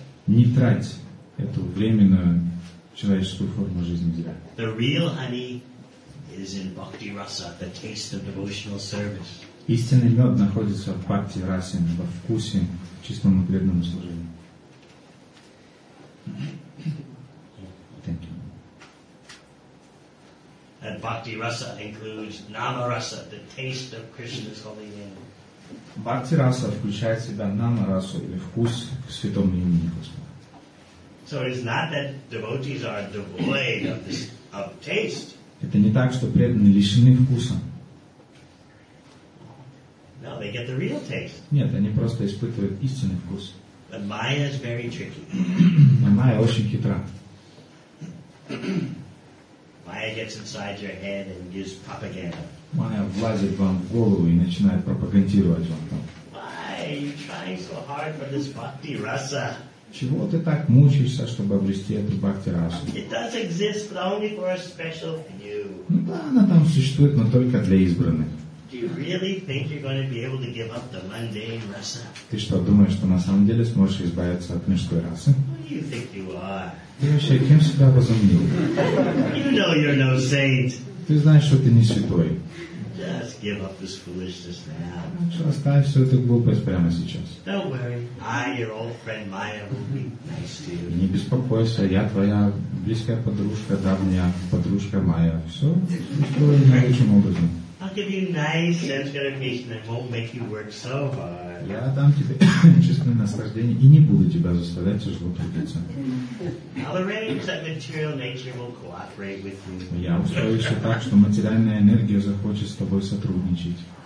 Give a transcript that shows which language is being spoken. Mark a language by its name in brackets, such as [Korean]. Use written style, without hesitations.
[Russian] Не трать эту временную человеческую форму жизни зря. [English] The real honey is in bhakti rasa, the taste of devotional service. [Russian] Истинный мед находится в бхакти расе, во вкусе чистом и преданном служении. [English] Thank you. And bhakti rasa includes nama rasa, the taste of Krishna's holy name. [Russian] Бхакти раса включает в себя нама расу или вкус к святому имени Господа. [English] So it's not that devotees are devoid of this, of taste. [Russian] Это не так, что преданные лишены вкуса. [English] No, they get the real taste. [Russian] Нет, они просто испытывают истинный вкус. [English] But Maya is very tricky. [Russian] Но Maya очень хитра. [English] Maya gets inside your head and gives propaganda. [Russian] Maya влазит вам в голову и начинает пропагандировать вам там. [English] Why are you trying so hard for this bhakti rasa? [Russian] Чего ты так мучаешься, чтобы обрести эту бхакти-расу? [English] It does exist, but only for a special few. [Russian] Ну да, она там существует, но только для избранных. [English] Do you really think you're going to be able to give up the mundane rasa? [Russian] Ты что, думаешь, что на самом деле сможешь избавиться от мирской расы? [English] Who do you think you are? [Russian] Ты вообще кем себя возомнил? [English] You know you're no saint. [Russian] Ты знаешь, что ты не святой. [English] Just give up this foolishness now. [Russian] Что, оставь всю эту глупость прямо сейчас. [English] Don't worry. I, your old friend Maya, will be nice to you. [Russian] Не беспокойся, я твоя близкая подружка, давняя подружка Майя. Все устроено наилучшим образом. [English] I'll give you nice sense gratification that won't make you work so hard. [Russian] Я дам тебе чистое наслаждение и не буду тебя заставлять тяжело трудиться. [English] I'll arrange that material nature will cooperate with you. [Russian] Я устрою все так, что материальная энергия захочет с тобой сотрудничать.